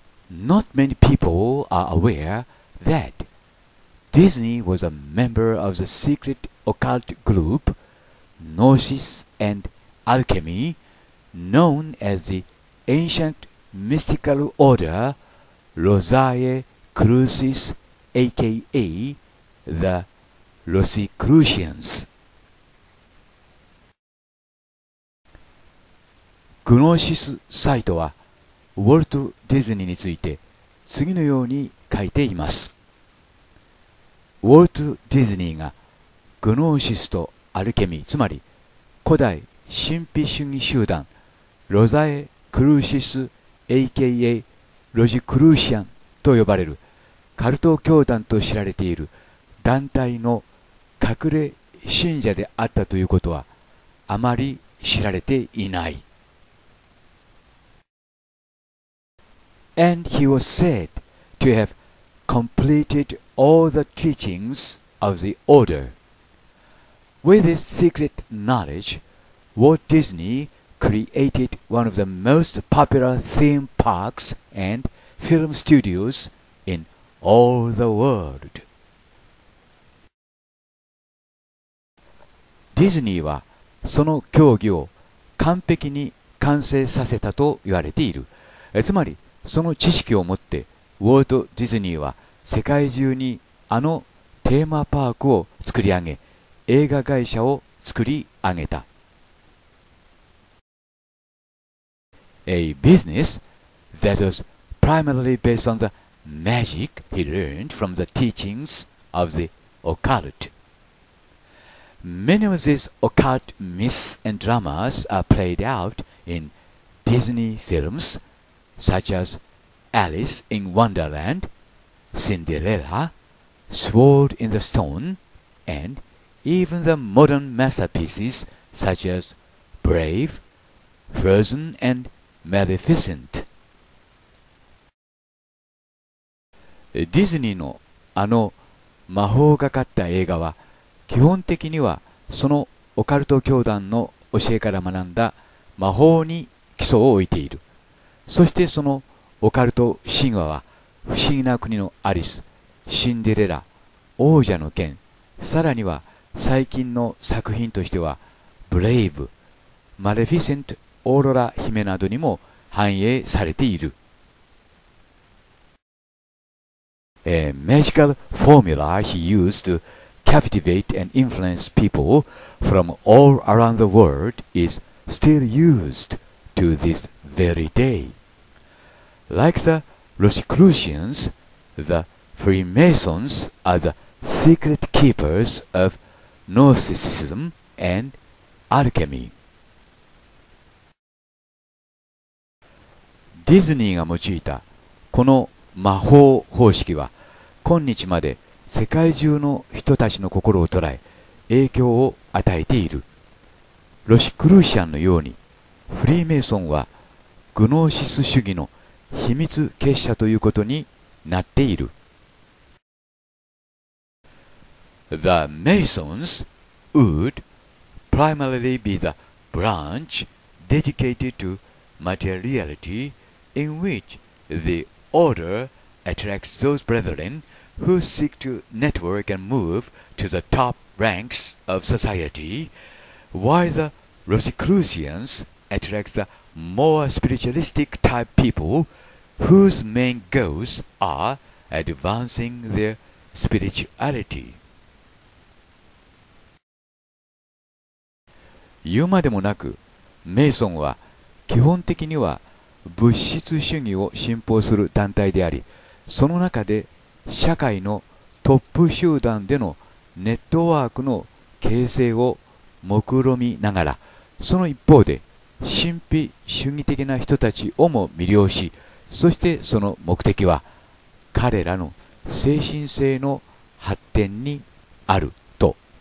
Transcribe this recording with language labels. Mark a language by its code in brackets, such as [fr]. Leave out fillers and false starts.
[en] Not many people are aware that Disney was a member of the secret occult group Gnosis and Alchemy, known as the Ancient Mystical Order Rosae Crucis, aka the Rosicrucians. [ja] グノーシスサイトはウォルト・ディズニーについて次のように書いています。ウォルト・ディズニーがグノーシスとアルケミー、つまり古代神秘主義集団ロザエ・クルーシス aka ロジ・クルーシアンと呼ばれるカルト教団と知られている団体の隠れ信者であったということはあまり知られていない。 [en] And he was said to have completed all the teachings of the order. With his secret knowledge, Walt Disney created one of the most popular theme parks and film studios in all the world. [ja] ディズニーはその競技を完璧に完成させたと言われている。つまりその知識を持ってウォルト・ディズニーは世界中にあのテーマパークを作り上げ、映画会社を作り上げた。 [en] A business that was primarily based on the magic he learned from the teachings of the occult. Many of these occult myths and dramas are played out in Disney filmsSuch as Alice in Wonderland, Cinderella, Sword in the Stone, and even the modern masterpieces such as Brave, Frozen, and Maleficent. [ja] ディズニーのあの魔法がかった映画は基本的にはそのオカルト教団の教えから学んだ魔法に基礎を置いている。そしてそのオカルト神話は不思議な国のアリス、シンデレラ、王者の剣、さらには最近の作品としてはブレイブ、マレフィセント、オーロラ姫などにも反映されている。 [en] A magical formula he used to captivate and influence people from all around the world is still used to this very day. Like the Rosicrucians, the Freemasons are the secret keepers of Gnosticism and Alchemy. [ja] ディズニーが用いたこの魔法方式は、今日まで世界中の人たちの心を捉え、影響を与えている。ロシクルーシアンのように、フリーメイソンはグノーシス主義の秘密結社ということになっている。 [en] The Masons would primarily be the branch dedicated to materiality in which the order attracts those brethren who seek to network and move to the top ranks of society, while the Rosicrucians attracts the more spiritualistic type people whose main goals are advancing their spirituality. [ja] 言うまでもなく、メイソンは基本的には物質主義を信奉する団体であり、その中で社会のトップ集団でのネットワークの形成を目論みながら、その一方で神秘主義的な人たちをも魅了し、そしてその目的は彼らの精神性の発展にあると。